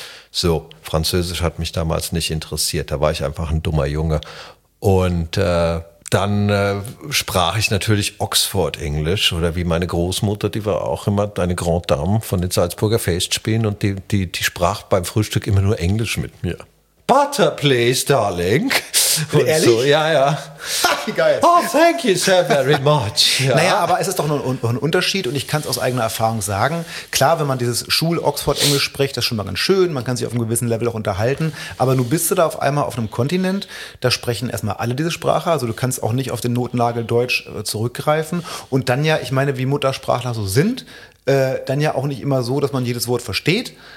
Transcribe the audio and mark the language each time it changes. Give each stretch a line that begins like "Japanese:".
German: So, Französisch hat mich damals nicht interessiert, da war ich einfach ein dummer Junge. Und dann sprach ich natürlich Oxford-Englisch oder wie meine Großmutter, die war auch immer eine Grande Dame von den Salzburger Festspielen und die sprach beim Frühstück immer nur Englisch mit mir.
English: Butter, please, darling.
German: Und ehrlich? So, ja, ja. Geil.
English: Oh, thank you so very much.
German: Ja. Naja, aber es ist doch ein Unterschied und ich kann es aus eigener Erfahrung sagen. Klar, wenn man dieses Schul-Oxford-Englisch spricht, das ist schon mal ganz schön, man kann sich auf einem gewissen Level auch unterhalten, aber nun bist du da auf einmal auf einem Kontinent, da sprechen erstmal alle diese Sprache, also du kannst auch nicht auf den Notennagel Deutsch zurückgreifen und dann ja, ich meine, wie Muttersprachler so sind, dann ja auch nicht immer so, dass man jedes Wort versteht.